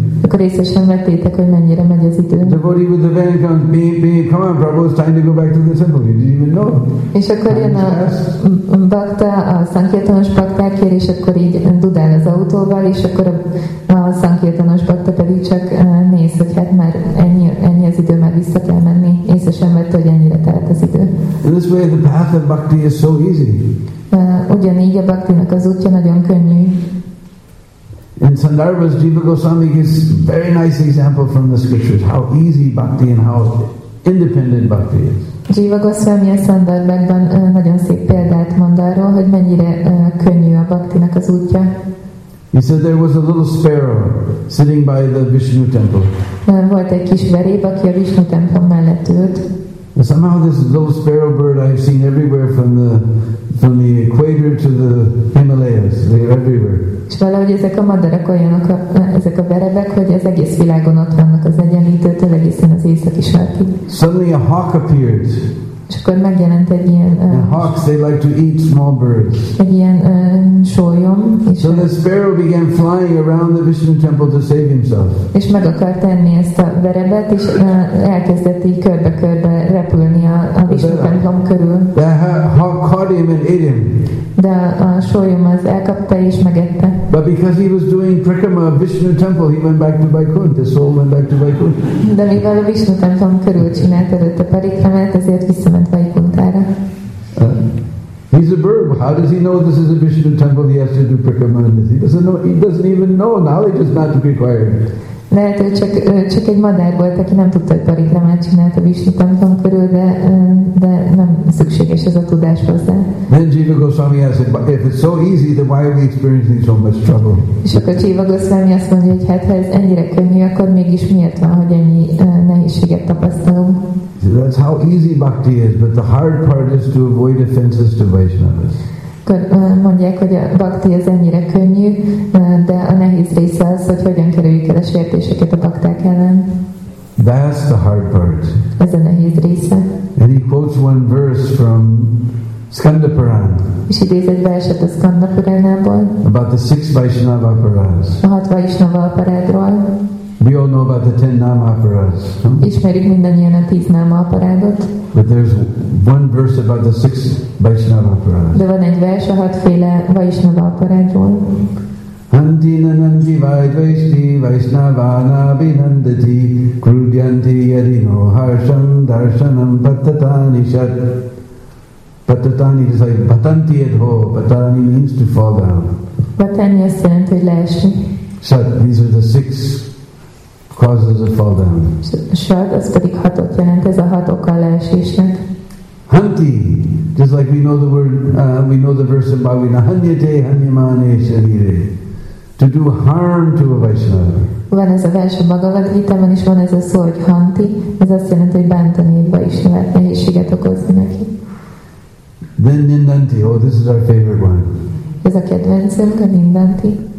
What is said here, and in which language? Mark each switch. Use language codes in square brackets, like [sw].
[hu] Akkor észre sem vettétek, hogy mennyire megy az idő. [en] The body with the van comes, come on, Prabhu, it's time to go back to the temple. You didn't even know. [hu] És akkor jön a bakta, a szankirtanos bakták jel, és akkor így dudál az autóval, és akkor a szankirtanos bakta pedig csak néz, hogy hát már ennyi az idő, már vissza kell menni. Észre sem vett, hogy ennyire telt az idő. [en] In this way, the path of bhakti is so easy. [hu] Ugyanígy a baktinak az útja nagyon könnyű. [en] In Sandarbha's Jiva Goswami gives very nice example from the scriptures how easy bhakti and how independent bhakti is. [hu] Jiva Goswami a Sandarbhában nagyon szép példát mond arról, hogy mennyire könnyű a bhaktinak az útja. [en] He said there was a little sparrow sitting by the Vishnu temple. [hu] Volt egy kis veréb, aki a Vishnu templom mellett ült. [en] Somehow this little sparrow bird I've seen everywhere from the equator to the Himalayas. They are everywhere. [hu] Valahogy ezek a madarak olyanok, ezek a verebek, hogy az egész világon ott vannak az egyenlítőtől egészen az északi sarkig. [en] Suddenly a hawk appeared. [hu] És akkor megjelent egy ilyen [en] hawks, they like to eat small birds. [hu] Egy ilyen sólyom. [en] So the sparrow began flying around the Vishnu temple to save himself. [hu] És meg akart tenni ezt a verebet, és elkezdett így körbe-körbe repülni a Vishnu templom körül. [en] The hawk caught him and ate him. [hu] De a sólyom az elkapta és megette. [en] But because he was doing prakrama of Vishnu temple, he went back to Vaikunth. The soul went back to Vaikunth. [hu] De mivel a Vishnu templom körül csinálta a parikramát, ezért visszament Vaikunthára. [en] He's a bird. How does he know this is a Vishnu temple? He has to do prakrama in this. He doesn't even know. Knowledge is not required. [hu] Lehet, hogy csak egy madár volt, aki nem tudta, hogy pariklamát csinált a Vishnu templom körül, de nem szükséges ez a tudás hozzá. [en] Then Jiva Goswami asked, but if it's so easy, then why are we experiencing so much trouble? [hu] És akkor Jiva Goswami azt mondja, hogy hát, ha ez ennyire könnyű, akkor mégis miért van, hogy ennyi nehézséget tapasztalunk? [en] So that's how easy bhakti is, but the hard part is to avoid offenses to Vaishnavas. [hu] Akkor mondják, hogy a bhakti az ennyire könnyű, de a nehéz része az, hogy hogyan kerüljük el a sértéseket a bakták ellen. [en] That's the hard part. [hu] Ez a nehéz része. [en] And he quotes one verse from Skanda Puran. [hu] És idéz egy verset a Skanda Puranából. [en] About the six Vaishnava Aparas. [hu] A hat Vaishnava Aparadról. [en] We all know about the ten Nama Aparas. [hu] Ismerik mindannyian a tíz Nama Aparadot. [en] But there's one verse about the six Vaishnava Aparas. [hu] De van egy vers a hatféle Vaishnava Aparadról. [sa] Hanti nanandi vaidvaisti vaisnavana binandati krudyanti yadino harsham darshanam patatani shat. [en] Patatani is like patanti edho. Patani means to fall down. Patani is saying to leesni. Shat, these are the six causes of fall down. [hu] Shat, az pedig hatot jelent, ez a hat oka a leesésnek. [en] Hanti, just like we know the word, we know the verse in Bhagavad-gita, [sa] hanyate hanyamane sharire. [en] To do harm to a Vaishnava. [hu] Van ez a vers a Bhagavad-gitában, és van ez a szó, hogy hanti, ez azt jelenti, hogy bántani egy Vaishnavát, nehézséget okozni neki. [en] Then Nindanti, oh, this is our favorite one. [hu] Ez a kedvencünk, a Nindanti.